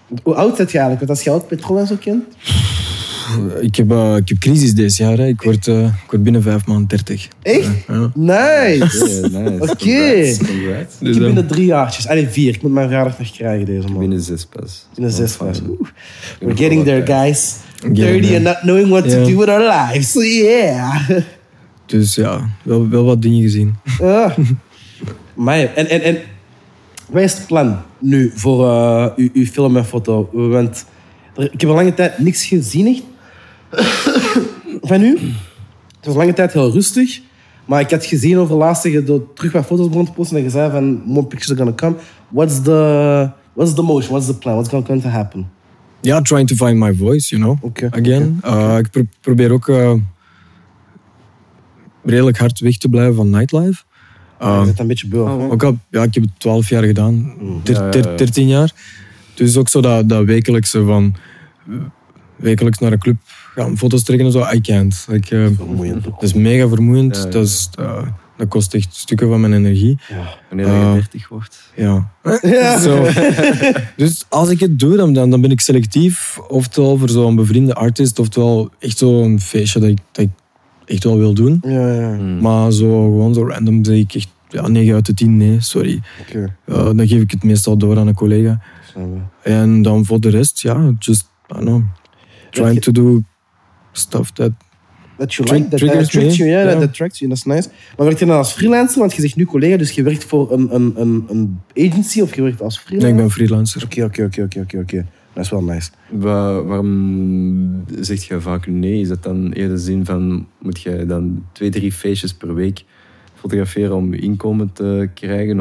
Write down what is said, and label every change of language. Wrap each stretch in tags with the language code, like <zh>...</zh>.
<nl>Hoe oud ben je eigenlijk? Want als je oud Petrol zo kent? Ik heb crisis deze jaar. Hè. Ik word binnen 5 maanden 30. Echt? Ja. Nice.</nl> <en>Yeah, nice.</en> <nl>Oké. Okay. Ik heb binnen 3 jaartjes. Allee, 4. Ik moet mijn verjaardag nog krijgen deze man. Binnen 6 pas. Binnen 6 pas.</nl> <en>We're getting there, guys. 30 and not knowing what to do with our lives. So, yeah.</en> <nl>Dus ja, wel wat dingen gezien. Ja. Maar en wat is het plan nu voor uw film en foto? Want ik heb al lange tijd niks gezien echt. Van u. Het was lange tijd heel rustig. Maar ik had gezien over laatst dat je terug wat foto's begon te posten. En je zei van,</nl> <en>more pictures are gonna come. What's the motion? What's the plan? What's going to happen? Ja, yeah, trying to find my voice, you know. Okay. Again. Okay.</en> <nl>Ik probeer ook... redelijk hard weg te blijven van nightlife. Je bent een beetje beul. Ook al, ja, ik heb het 12 jaar gedaan. 13 jaar. Dus ook zo dat wekelijkse van... wekelijks naar een club gaan foto's trekken en zo.</nl> <en>I can't. Like,</en> <nl>vermoeiend. Dat is mega vermoeiend. Ja, ja. Dat kost echt stukken van mijn energie. Ja, wanneer je 30 wordt. Ja. Zo. Dus als ik het doe, dan ben ik selectief. Oftewel voor zo'n bevriende artist. Oftewel echt zo'n feestje dat ik echt wel wil doen. Ja, ja. Maar zo random zeg ik echt... Ja, 9 uit de 10, nee, sorry. Okay. Dan geef ik het meestal door aan een collega. Sorry. En dan voor de rest, ja,</nl> <en>just, I don't know. Trying to do stuff that... That you like, that triggers that you, yeah, yeah. That attracts you, that's nice.</en> <nl>Maar werk je dan als freelancer? Want je zegt nu collega, dus je werkt voor een agency of je werkt als freelancer? Nee, ik ben freelancer. Oké. Dat is wel nice. Waarom zeg je vaak nee? Is dat dan eerder zin van... Moet je dan 2-3 feestjes per week fotograferen om inkomen te krijgen?</nl>